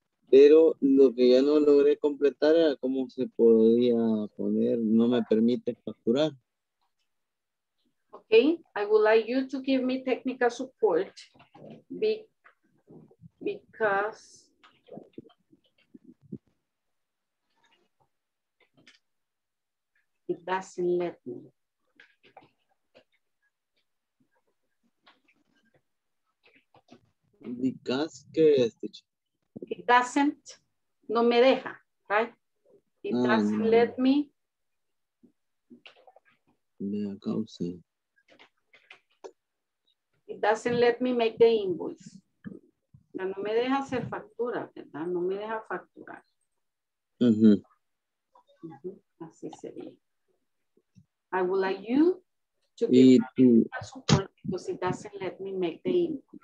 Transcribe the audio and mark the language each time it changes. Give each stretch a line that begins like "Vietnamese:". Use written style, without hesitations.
Spanish: Pero lo que ya no logré completar era cómo se podía poner, no me permite facturar.
English: Okay, I would like you to give me technical support because it doesn't let me. Because,
Spanish: ¿qué es?
English: It doesn't,
Spanish: no me deja,
English: right? It doesn't let me.
Spanish: Me causa.
English: It doesn't let me make the invoice.
Spanish: O sea, no me deja hacer factura, ¿verdad? No me deja facturar. Así sería.
English: I would like you to give me a support because it doesn't let me make the invoice.